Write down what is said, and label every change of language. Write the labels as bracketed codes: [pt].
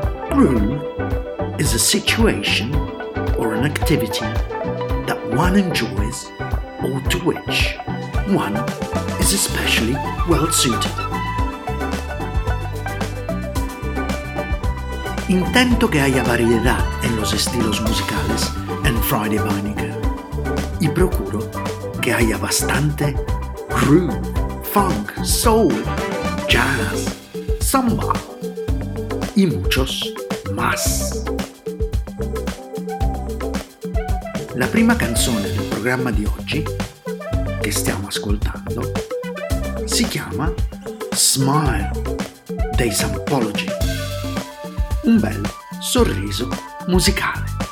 [en] Groove is a situation or an activity that one enjoys or to which one is especially well suited. [es] Intento que haya variedad en los estilos musicales en Friday by Nico. Y procuro que haya bastante groove, funk, soul, jazz, samba y muchos más. [it] La prima canzone del programma di oggi, che stiamo ascoltando, si chiama Smile dei Sampology. Un bel sorriso musicale.